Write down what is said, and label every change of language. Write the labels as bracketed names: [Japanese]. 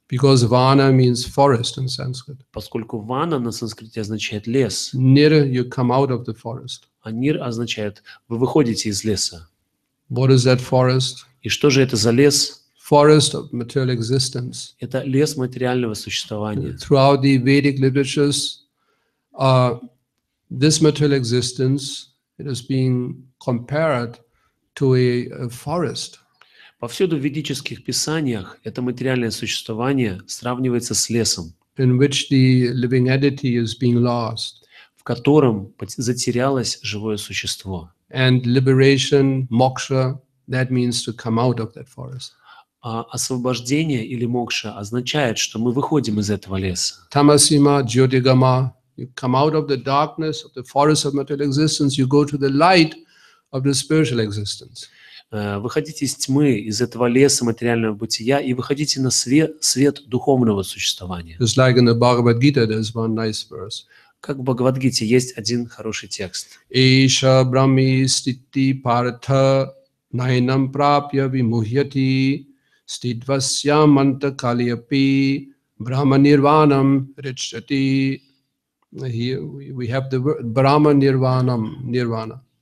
[English] Because vana means forest in Sanskrit. [Russian] Поскольку вана на санскрите означает лес. [English] Nir, you come out of the forest. [Russian] А нир означает вы выходите из леса. [English] What is that forest? [Russian] И что же это за лес? [English] Forest of material existence. [Russian] Это лес материального существования. [English] Throughout the Vedic literatures, this material existence it is being compared to a forest. [Russian] Повсюду в ведических писаниях это материальное существование сравнивается с лесом. [English] In which the living entity is being lost. [Russian] В котором затерялось живое существо. [English] And liberation, moksha, that means to come out of that forest. [Russian] А освобождение или мокша означает, что мы выходим из этого леса. [Sanskrit] Tamasima, jyotigama, [English] you come out of the darkness of the forest of material existence, you go to the light of the spiritual existence. [Russian] Выходите из тьмы, из этого леса материального бытия и выходите на свет духовного существования. [English] Just like in the Bhagavad Gita, there's one nice verse. [Russian] Как в Бхагавад Гите есть один хороший текст. [Sanskrit] Эйша брахми стити партха найнам прапья вимухьяти стидвасьям антакалиапи брахма нирванам ричати. [English] Here we have the word брахма нирванам, нирвана.